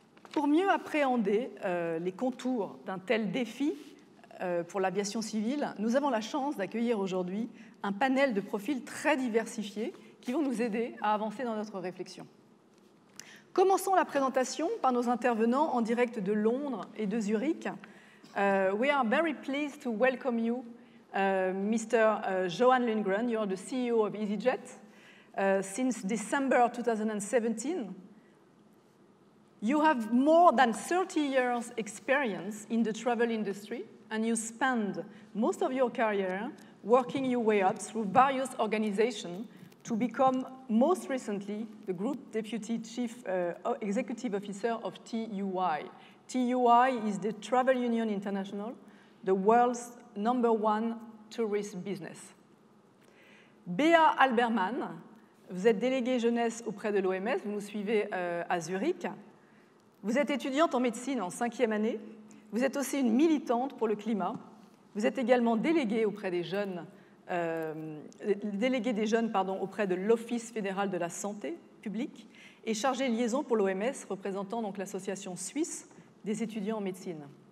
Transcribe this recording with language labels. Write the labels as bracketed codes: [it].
[fr] Pour mieux appréhender les contours d'un tel défi pour l'aviation civile, nous avons la chance d'accueillir aujourd'hui un panel de profils très diversifiés qui vont nous aider à avancer dans notre réflexion. Commençons la présentation par nos intervenants en direct de Londres et de Zurich. [en] We are very pleased to welcome you, Mr. Johan Lundgren. You are the CEO of EasyJet. Since December 2017, you have more than 30 years experience in the travel industry, and you spend most of your career working your way up through various organizations to become, most recently, the Group Deputy Chief Executive Officer of TUI. TUI is the Travel Union International, the world's number one tourist business. [fr] Béa Albermann, vous êtes déléguée jeunesse auprès de l'OMS, vous nous suivez à Zurich. Vous êtes étudiante en médecine en cinquième année. Vous êtes aussi une militante pour le climat. Vous êtes également déléguée auprès des jeunes auprès de l'Office fédéral de la santé publique et chargée liaison pour l'OMS, représentant donc l'association suisse des étudiants en médecine.